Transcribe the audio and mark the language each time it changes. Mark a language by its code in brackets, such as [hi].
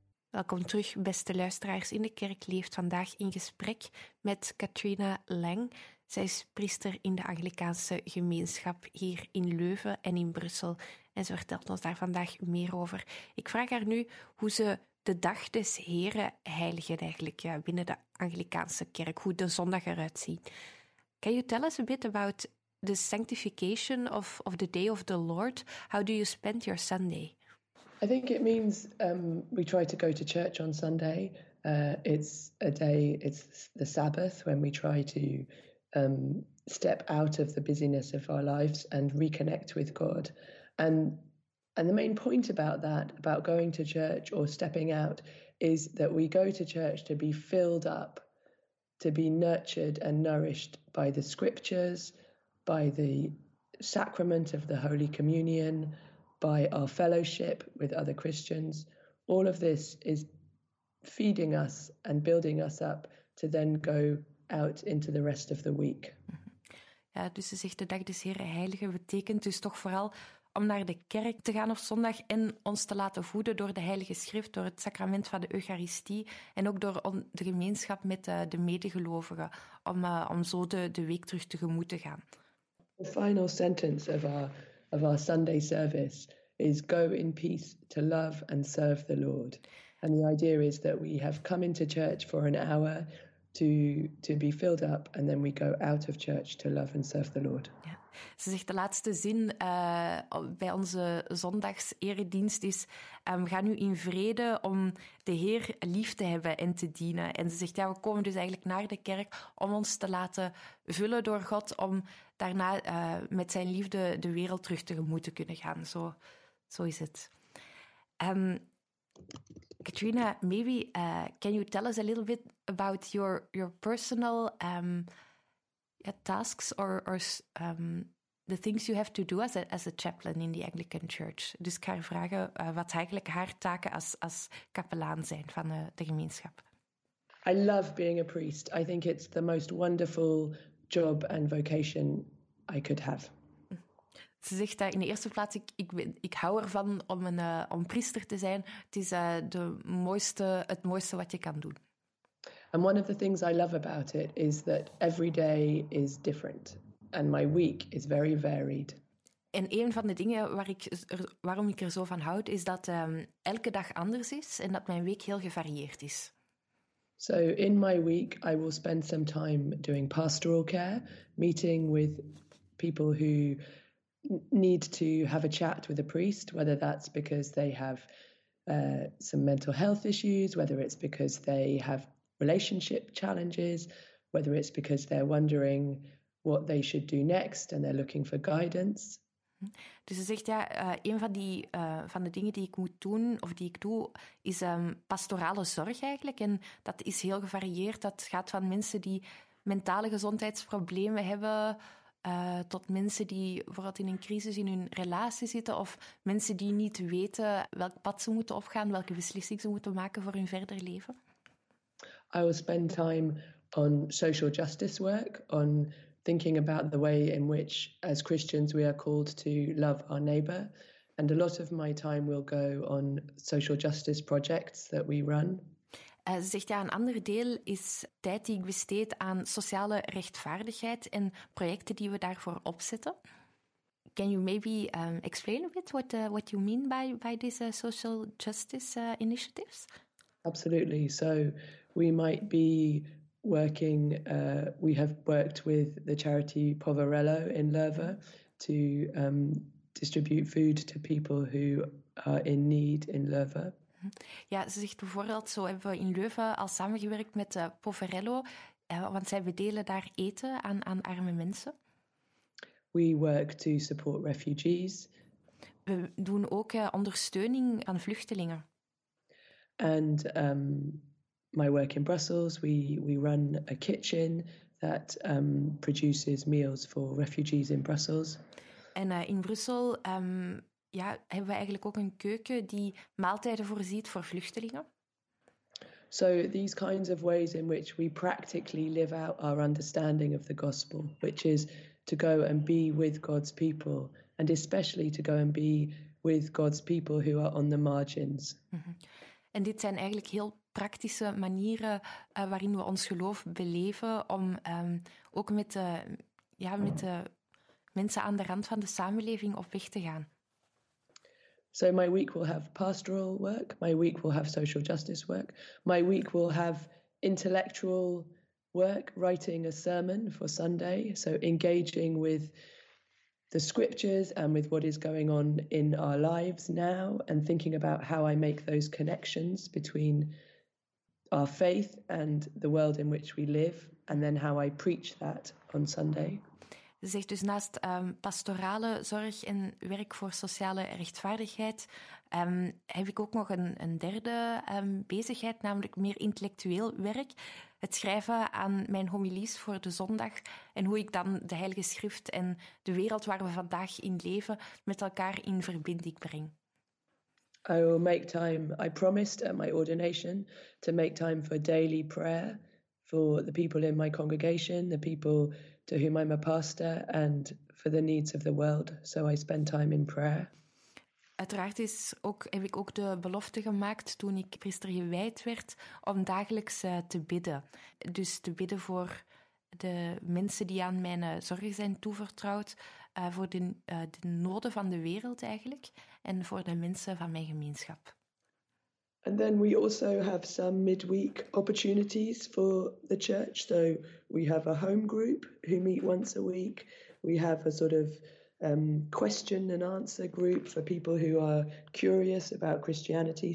[nl] Welkom terug, beste luisteraars. In de Kerk Leeft vandaag in gesprek met Katrina Lang. Zij is priester in de Anglicaanse gemeenschap hier in Leuven en in Brussel. En ze vertelt ons daar vandaag meer over. Ik vraag haar nu hoe ze de dag des Heren heiligen eigenlijk binnen de Anglicaanse kerk, hoe de zondag eruit ziet. [en] Can you tell us a bit about the sanctification of the day of the Lord? How do you spend your Sunday? I think it means we try to go to church on Sunday. It's a day, it's the Sabbath, when we try to step out of the busyness of our lives and reconnect with God. And the main point about that, about going to church or stepping out, is that we go to church to be filled up, to be nurtured and nourished by the scriptures, by the sacrament of the Holy Communion, by our fellowship with other Christians. All of this is feeding us and building us up to then go out into the rest of the week. [nl] Ja, dus ze zegt de dag des Heren heiligen betekent dus toch vooral om naar de kerk te gaan op zondag en ons te laten voeden door de Heilige Schrift, door het sacrament van de Eucharistie en ook door de gemeenschap met de medegelovigen, om zo de week terug tegemoet te gaan. [en] The final sentence of our Sunday service is go in peace to love and serve the Lord. And the idea is that we have come into church for an hour to be filled up and then we go out of church to love and serve the Lord. [nl] Ja. Ze zegt de laatste zin bij onze zondags eredienst is we gaan nu in vrede om de Heer lief te hebben en te dienen. En ze zegt ja, we komen dus eigenlijk naar de kerk om ons te laten vullen door God om daarna met zijn liefde de wereld terug tegemoet te kunnen gaan. Zo is het. [en] Katrina, maybe can you tell us a little bit about your personal tasks or the things you have to do as a chaplain in the Anglican Church? [nl] Dus ik ga haar vragen wat eigenlijk haar taken als kapelaan zijn van de gemeenschap. [en] I love being a priest. I think it's the most wonderful job and vocation I could have. [nl] Ze zegt dat in de eerste plaats, ik hou ervan om om priester te zijn. Het is het mooiste wat je kan doen. [en] And one of the things I love about it is that every day is different. And my week is very varied. [nl] En een van de dingen waarom ik er zo van houd, is dat elke dag anders is en dat mijn week heel gevarieerd is. [en] So in my week, I will spend some time doing pastoral care, meeting with people who need to have a chat with a priest, whether that's because they have some mental health issues, whether it's because they have relationship challenges, whether it's because they're wondering what they should do next and they're looking for guidance. [nl] Dus ze zegt ja, een van de dingen die ik moet doen of die ik doe, is pastorale zorg eigenlijk. En dat is heel gevarieerd. Dat gaat van mensen die mentale gezondheidsproblemen hebben, tot mensen die bijvoorbeeld in een crisis in hun relatie zitten of mensen die niet weten welk pad ze moeten opgaan, welke beslissing ze moeten maken voor hun verder leven. [en] I will spend time on social justice work, on thinking about the way in which as Christians we are called to love our neighbor. And a lot of my time will go on social justice projects that we run. [nl] Ze zegt ja, een ander deel is tijd die ik besteed aan sociale rechtvaardigheid en projecten die we daarvoor opzetten. [en] Can you maybe explain a bit what you mean by these social justice initiatives? Absolutely. So we might be working, we have worked with the charity Poverello in Leuven to distribute food to people who are in need in Leuven. [nl] Ja, ze zegt bijvoorbeeld, zo hebben we in Leuven al samengewerkt met Poverello, want zij bedelen daar eten aan arme mensen. [en] We work to support refugees. [nl] We doen ook ondersteuning aan vluchtelingen. [en] And my work in Brussels, we run a kitchen that produces meals for refugees in Brussels. [nl] En in Brussel ja, hebben we eigenlijk ook een keuken die maaltijden voorziet voor vluchtelingen. [en] So these kinds of ways in which we practically live out our understanding of the gospel, which is to go and be with God's people, and especially to go and be with God's people who are on the margins. Mm-hmm. [nl] En dit zijn eigenlijk heel praktische manieren waarin we ons geloof beleven om ook met de, ja, met de mensen aan de rand van de samenleving op weg te gaan. [en] So my week will have pastoral work, my week will have social justice work, my week will have intellectual work, writing a sermon for Sunday, so engaging with the scriptures and with what is going on in our lives now and thinking about how I make those connections between our faith and the world in which we live and then how I preach that on Sunday. [nl] Ze zegt dus naast pastorale zorg en werk voor sociale rechtvaardigheid heb ik ook nog een derde bezigheid, namelijk meer intellectueel werk. Het schrijven aan mijn homilies voor de zondag en hoe ik dan de Heilige Schrift en de wereld waar we vandaag in leven met elkaar in verbinding breng. [en] I will make time, I promised at my ordination, to make time for daily prayer. For the people in my congregation, the people to whom I'm a pastor, and for the needs of the world. So I spend time in prayer. [nl] Uiteraard is ook, heb ik ook de belofte gemaakt toen ik priester gewijd werd om dagelijks te bidden. Dus te bidden voor de mensen die aan mijn zorgen zijn toevertrouwd, voor de noden van de wereld eigenlijk, en voor de mensen van mijn gemeenschap. [en] And then we also have some midweek opportunities for the church. So we have a home group who meet once a week. We have a sort of question and answer group for people who are curious about Christianity.